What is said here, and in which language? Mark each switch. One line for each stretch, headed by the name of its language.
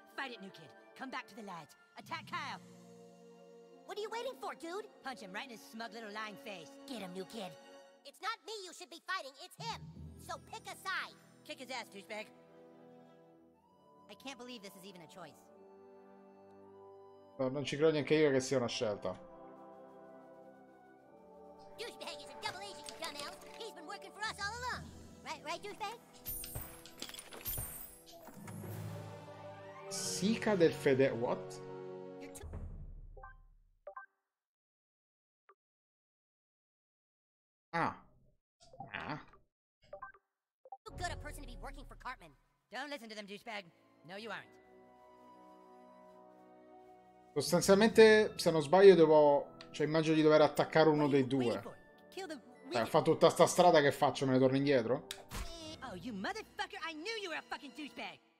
English: Fight it, new kid. Come back to the light. Attack Kyle. What are you waiting for, dude? Punch him right in his smug little lying face. Get him, new kid. It's not me you should be fighting, it's him. So pick a side. Kick his ass, douchebag. I can't believe this is even a choice.
Italian: No, non ci credo neanche io che sia una scelta.
English: Douchebag is a double agent, you dumb elf. He's been working for us all along. Right, douchebag? Sika del Fede... What? Too good a person to be working for Cartman. Don't listen to them, douchebag. No, you aren't.
Italian: Sostanzialmente, se non sbaglio, devo. Cioè, immagino di dover attaccare uno dei due. Beh, fa tutta sta strada, che faccio? Me ne torno indietro?
English: Oh, you motherfucker, I knew you were a fucking douchebag.